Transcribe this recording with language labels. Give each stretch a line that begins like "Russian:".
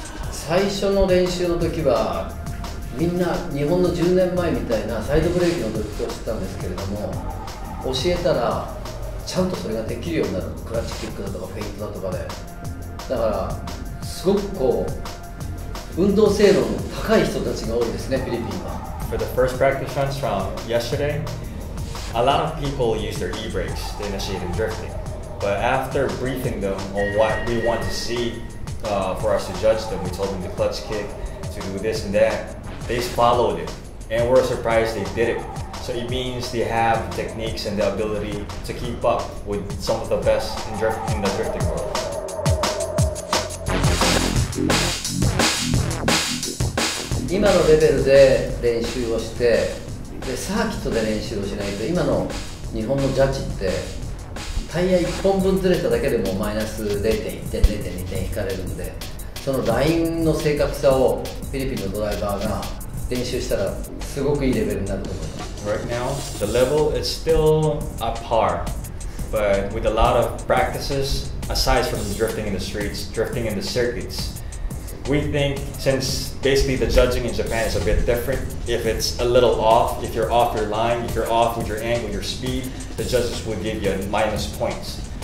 Japanese: 最初の練習の時はみんな日本の10年前みたいなサイドブレーキの時と知ったんですけれども、教えたらちゃんとそれができるようになる、クラッチキックだとかフェイントだとかで、だからすごくこう運動性能の高い人たちが多いですね、フィリピンは。
English: For the first practice runs from yesterday, a lot of people use their e-brakes to initiate drifting, but after briefing them on what we want to seeFor us to judge them, we told them to clutch kick, to do this and that. They followed it, and we're surprised they did it. So it means they have the techniques and the ability to keep up with some of the best in, in the drifting world. Now, the level of practice, and the circuit of practice, if you don't practice, now the Japanese judge.
Japanese: タイヤ1本分ずれただけでもマイナス 0.1 点、0.2 点引かれるんで、そのラインの正確さをフィリピンのドライバーが練習したらすごくいいレベルになると思います。
English: Right now, the level is still at par, but with a lot of practices, aside from drifting in the streets, drifting in the circuits, we think since basically the judging in Japan is a bit different, if it's a little off, if you're off your line, if you're off with your angle, your speed,the judges would give you minus points.